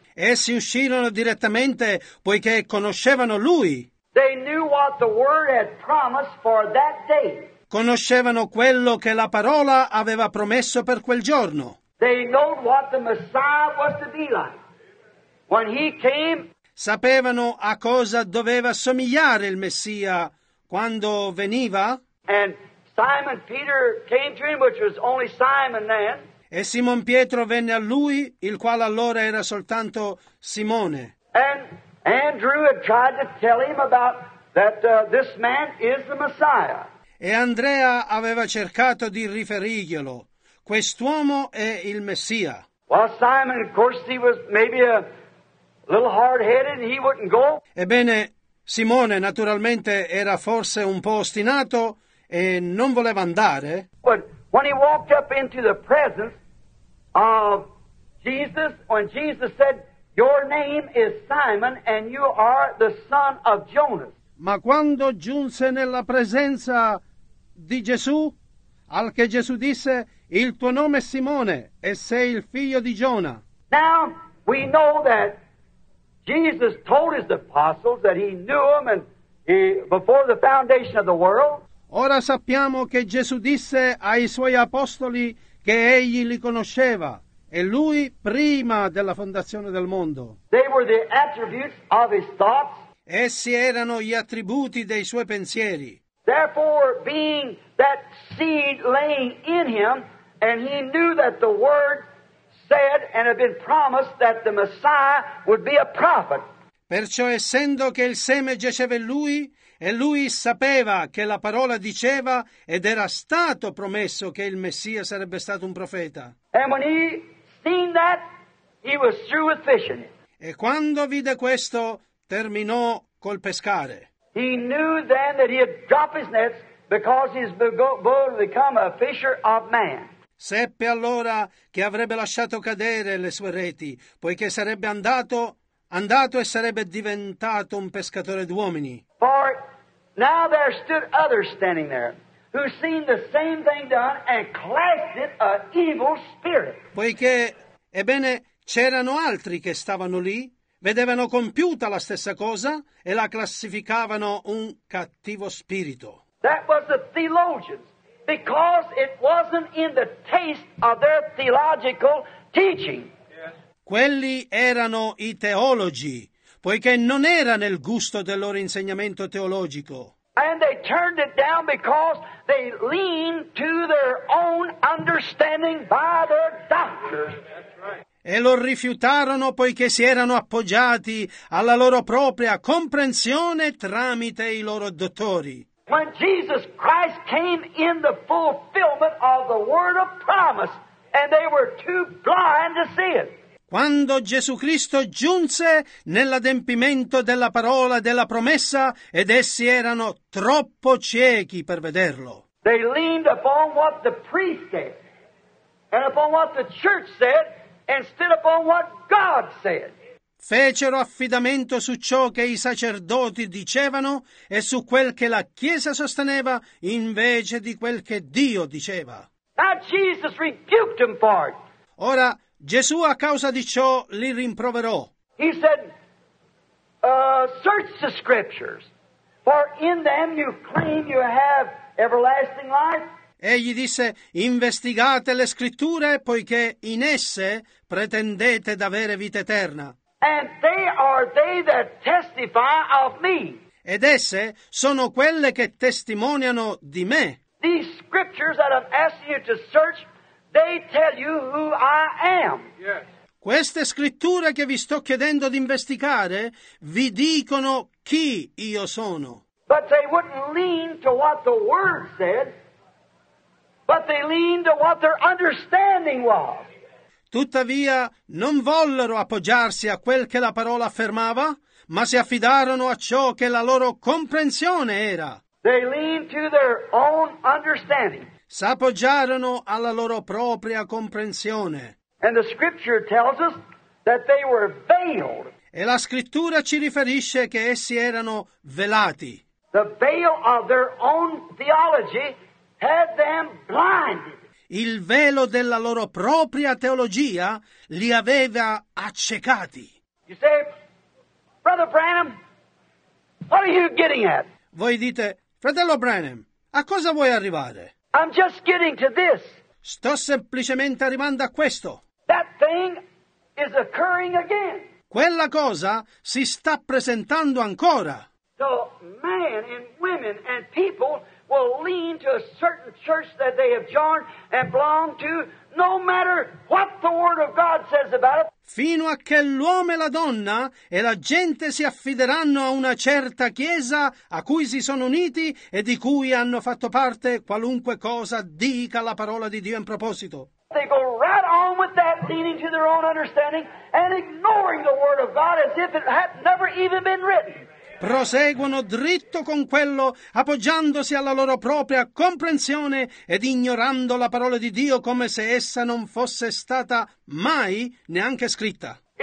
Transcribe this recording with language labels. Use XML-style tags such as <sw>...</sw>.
<it>Essi uscirono direttamente poiché conoscevano lui.</it> <en>They knew what the word had promised for that day.</en> <it>Conoscevano quello che la parola aveva promesso per quel giorno.</it> <en>They knew what the Messiah was to be like. When he came,</en> <it>sapevano a cosa doveva somigliare il Messia quando veniva.</it> <en>And Simon Peter came to him, which was only Simon then.</en> <it>E Simon Pietro venne a lui, il quale allora era soltanto Simone.</it> <en>And Andrew had tried to tell him about that this man is the Messiah.</en> <it>E Andrea aveva cercato di riferirglielo. Quest'uomo è il Messia.</it> <en>Well, Simon, of course, he was maybe a little hard-headed, he wouldn't go.</en> <it>Ebbene, Simone naturalmente era forse un po' ostinato e non voleva andare.</it> <en>But when he walked up into the presence of Jesus, when Jesus said, "Your name is Simon and you are the son of Jonas."</en> <it>Ma quando giunse nella presenza di Gesù, al che Gesù disse, "Il tuo nome è Simone e sei il figlio di Giona."</it> <en>Now we know that Jesus told his apostles that he knew them and he, before the foundation of the world.</en> <it>Ora sappiamo che Gesù disse ai suoi apostoli che egli li conosceva e lui prima della fondazione del mondo.</it> <en>They were the attributes of his thoughts.</en> <it>Essi erano gli attributi dei suoi pensieri.</it> <en>Therefore, being that seed laying in him, and he knew that the word said and had been promised that the Messiah would be a prophet.</en> <it>Perciò essendo che il seme giaceva in lui, e lui sapeva che la parola diceva ed era stato promesso che il Messia sarebbe stato un profeta.</it> <en>And when he seen that, he was through with fishing.</en> <it>E quando vide questo, terminò col pescare.</it> <en>He knew then that he had dropped his nets because his boat had become a fisher of man.</en> <it>Seppe allora che avrebbe lasciato cadere le sue reti, poiché sarebbe andato e sarebbe diventato un pescatore d'uomini.</it> <en>For now there stood others standing there, who seen the same thing done and classed it an evil spirit.</en> <it>Poiché, ebbene, c'erano altri che stavano lì, vedevano compiuta la stessa cosa e la classificavano un cattivo spirito.</it> <en>That was the theologians. Because it wasn't in the taste of their theological teaching. Yes.</en> <it>Quelli erano i teologi, poiché non era nel gusto del loro insegnamento teologico.</it> <en>And they turned it down because they leaned to their own understanding by their doctors. That's right.</en> <it>E lo rifiutarono poiché si erano appoggiati alla loro propria comprensione tramite i loro dottori.</it> <en>When Jesus Christ came in the fulfillment of the word of promise, and they were too blind to see it.</en> <it>Quando Gesù Cristo giunse nell'adempimento della parola della promessa, ed essi erano troppo ciechi per vederlo.</it> <en>They leaned upon what the priest said, and upon what the church said, instead upon what God said.</en> <it>Fecero affidamento su ciò che i sacerdoti dicevano e su quel che la Chiesa sosteneva invece di quel che Dio diceva.</it> <en>Now Jesus rebuked him for it.</en> <it>Ora Gesù a causa di ciò li rimproverò.</it> <en>He said, "Search the scriptures, for in them you claim you have everlasting life."</en> <it>Egli disse, "Investigate le scritture, poiché in esse pretendete d'avere vita eterna."</it> <en>And they are they that testify of me.</en> <it>Ed esse sono quelle che testimoniano di me.</it> <en>These scriptures that I've asked you to search, they tell you who I am. Yes.</en> <it>Queste scritture che vi sto chiedendo di investigare vi dicono chi io sono.</it> <en>But they wouldn't lean to what the word said, but they leaned to what their understanding was.</en> <it>Tuttavia, non vollero appoggiarsi a quel che la parola affermava, ma si affidarono a ciò che la loro comprensione era.</it> <en>They leaned to their own understanding.</en> <it>S'appoggiarono alla loro propria comprensione.</it> <en>And the scripture tells us that they were veiled.</en> <it>E la scrittura ci riferisce che essi erano velati.</it> <en>The veil of their own theology had them blinded.</en> <it>Il velo della loro propria teologia li aveva accecati.</it> <en>You say, "Brother Branham, what are you getting at?"</en> <it>Voi dite, fratello Branham, a cosa vuoi arrivare?</it> <en>I'm just getting to this.</en> <it>Sto semplicemente arrivando a questo.</it> <en>That thing is occurring again.</en> <it>Quella cosa si sta presentando ancora.</it> <en>So men and women women and people will lean to a certain church that they have joined and belong to, no matter what the Word of God says about it.</en> <it>Fino a che l'uomo e la donna e la gente si affideranno a una certa chiesa a cui si sono uniti e di cui hanno fatto parte, qualunque cosa dica la parola di Dio in proposito.</it> <en>They go right on with that, leaning to their own understanding and ignoring the Word of God as if it had never even been written.</en> <it>Proseguono dritto con quello, appoggiandosi alla loro propria comprensione ed ignorando la parola di Dio come se essa non fosse stata mai neanche scritta.</it>